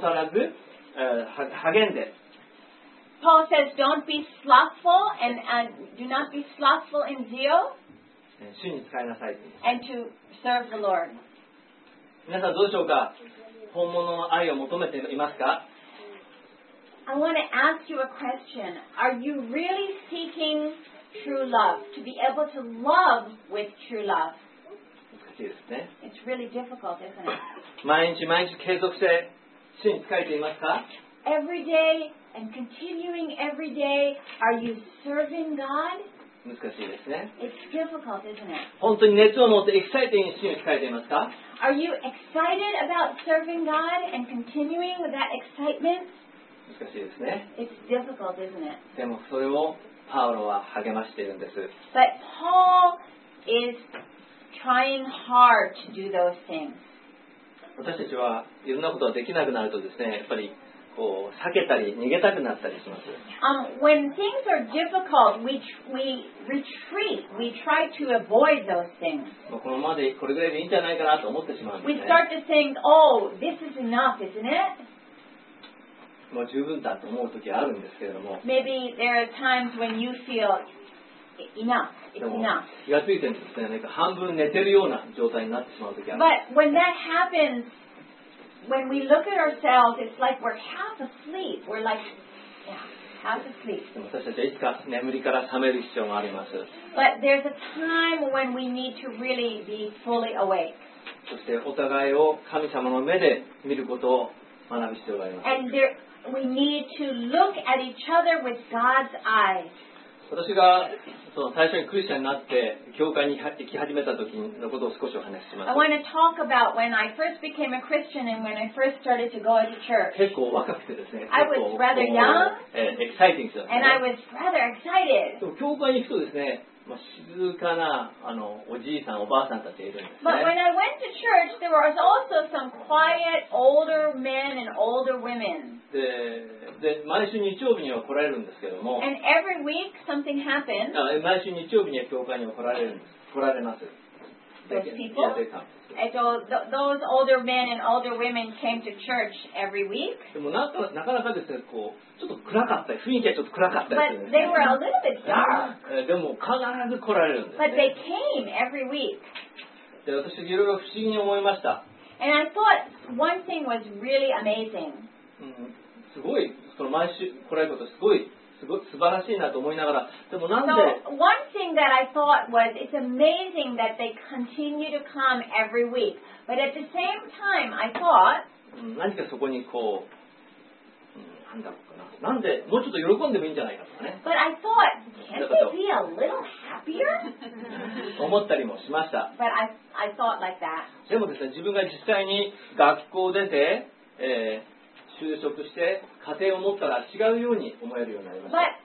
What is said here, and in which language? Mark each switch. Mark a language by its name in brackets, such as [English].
[Japanese] パウロは怠らず励んで。 [English] Paul says, "Don't be slothful and do not be slothful in zeal." [Japanese] 主に使いなさいって言うんです。 [English] And to serve the Lord. [Japanese] 皆さんどうでしょうか?本物の愛を求めていますか? [English] I want to ask you a question. Are you really seeking true love? To be able to love with true love? [Japanese] 難しいですね。 [English] It's really difficult, isn't it? [Japanese] 毎日毎日継続して主に仕えていますか? [English] Every day and continuing every day, are you serving God? [Japanese] 難しいですね。 [English] It's difficult, isn't it? [Japanese] 本当に熱を持ってエキサイティングに主に仕えていますか？ [English] Are you excited about serving God and continuing with that excitement? [Japanese] 難しいですね。 [English] It's difficult, isn't it? [Japanese] でもそれをパウロは励ましているんです。 [English] But Paul is trying hard to do those things. [Japanese] 私たちはいろんなことができなくなるとですね、やっぱり避けたり逃げたくなったりします。 [English] When things are difficult, we retreat. We try to avoid those things. [Japanese] このままでこれぐらいでいいんじゃないかなと思ってしまうんですね。 [English] We start to think, oh, this is enough, isn't it? [Japanese] もう十分だと思うときあるんですけれども。 [English] Maybe there are times when you feel enough. It's enough. [Japanese] 気がついてるんですね。なんか半分寝てるような状態になってしまうときある。 [English] But when that happens,When we look at ourselves, it's like we're half asleep. We're like, yeah, half asleep. [Japanese] でも私たちはいつか眠りから覚める必要があります。 [English] But there's a time when we need to really be fully awake. [Japanese] そしてお互いを神様の目で見ることを学ぶ必要があります。 [English] And there, we need to look at each other with God's eyes. [Japanese] 私がその最初にクリスチャンになって教会に行き始めた時のことを少しお話しします。 [English] I want to talk about when I first became a Christian and when I first started to go to church. [Japanese] 結構若くてですね。 [English] I was rather young. Exciting. And I was rather excited. [Japanese] 教会に行くとですね、まあ、静かなあのおじいさんおばあさんたちがいるんですね。 [English] But when I went to church, there was also some quiet older men and older women. [Japanese] で毎週日曜日には来られるんですけども [English] And every week something happens. [Japanese] 毎週日曜日には教会には来られます [English] Those people? And so those older men and older women came to church every week. [Japanese] でもなかなかですね、こうちょっと暗かったり雰囲気はちょっと暗かったり [English] But they were a little bit dark. [Japanese] でも必ず来られるんです、ね、 [English] But they came every week. [Japanese] で私いろいろ不思議に思いました [English] And I thought one thing was really amazing. [Japanese] すごいその毎週来られることすごい素晴らしいなと思いながらでもなんで [English] So one thing that I thought was it's amazing that they continue to come every week. But at the same time, I thought [Japanese] 何かそこにこう、なんだろうかな。なんでもうちょっと喜んでもいいんじゃないかとかね。 [English] But I thought, can't they be a little happier? [Japanese] 思ったりもしました。 [English] But I thought like that. [Japanese] でもですね、自分が実際に学校出て、就職して家庭を持ったら違うように思えるようになりました。